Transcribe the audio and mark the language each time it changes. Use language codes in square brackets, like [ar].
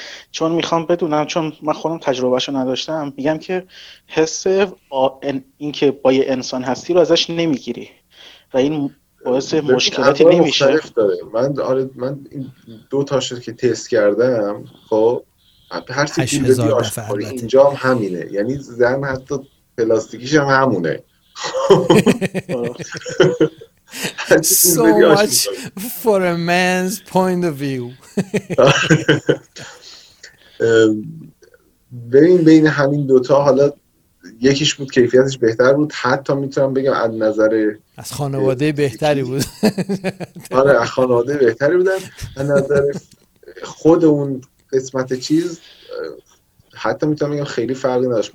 [fa] چون میخوام بدونم، چون من خودم تجربهشو نداشتم، میگم که حس این که با یه انسان هستی رو ازش نمیگیری و این باعث مشکلاتی نمیشه. من آره من دو تا شد که تست کردم، خب هر سی پول بدی آشپزخونه اینجا هم همینه، یعنی زن حتی پلاستیکیش هم همونه. [en] So much for a man's point of view. [fa] بین همین دوتا، حالا یکیش بود کیفیتش بهتر بود، حتی میتونم بگم از نظر از خانواده بهتری بود. آره از خانواده بهتری بودن، از نظر خود اون قسمت چیز حتی میتونم بگم خیلی فرقی نداشت.